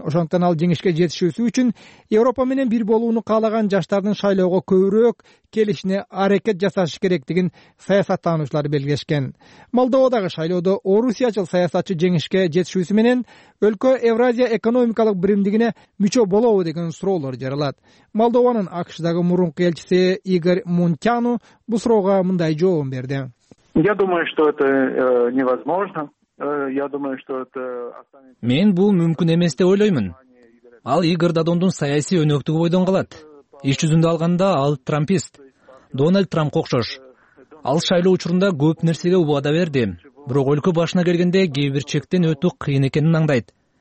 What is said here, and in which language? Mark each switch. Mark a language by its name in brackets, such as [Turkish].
[Kyrgyz] Ошондуктан ал жеңишке жетишүүсү үчүн Европа менен бир болууну каалаган жаштардын шайлоого көбүрөөк келишине аракет жасаш керектигин саясаттануучулар белгилешкен. Молдовадагы шайлоодо орусиячыл саясатчы жеңишке жетишүүсү менен өлкө Евразия экономикалык биримдигине мүчө болобу деген суроолор жаралат. Молдованын АКШдагы мурунку элчиси Игорь Мунтяну бул суроого мындай жообун берди. [Russian] Я думаю, что это невозможно. Я думаю, что это останется. [Kyrgyz] Мен бул мүмкүн эмес деп ойлоймун. Ал Игорь Додондун саясий өнөктүгү бойдон калат. Иш жүзүндө алганда ал трампист. Дональд Трамп окшош. Ал шайлоо учурунда көп нерсеге убада берди. Бирок өлкө башына келгенде кээ бир чектен өтүү кыйын экенин аңдайт.